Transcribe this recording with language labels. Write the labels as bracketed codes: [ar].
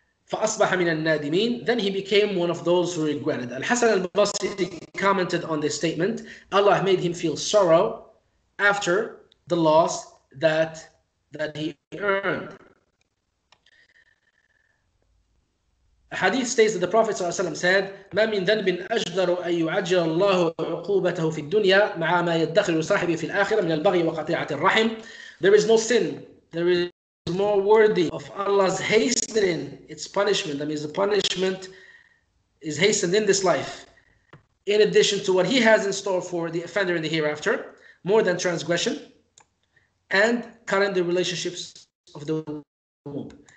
[ar] فَأَصْبَحَ مِنَ النَّادِمِينَ. [en] Then he became one of those who regretted. Al-Hasan al-Basri commented on this statement, Allah made him feel sorrow after the loss that he earned. A hadith states that the Prophet ﷺ said, [ar] مَا مِنْ ذَنْبٍ أَجْدَرُ أَنْ يُعَجِّلَ اللَّهُ عُقُوبَتَهُ فِي الدُّنْيَا مَعَ مَا يَدَّخِلُ صَاحِبِي فِي الْآخِرَةِ مِنَ الْبَغْيِ وَقَطِيعَةِ الرَّحِمِ. [en] There is no sin. There is more worthy of Allah's hastening its punishment. That means the punishment is hastened in this life, in addition to what he has in store for the offender in the hereafter, more than transgression and cutting the relationships of the womb.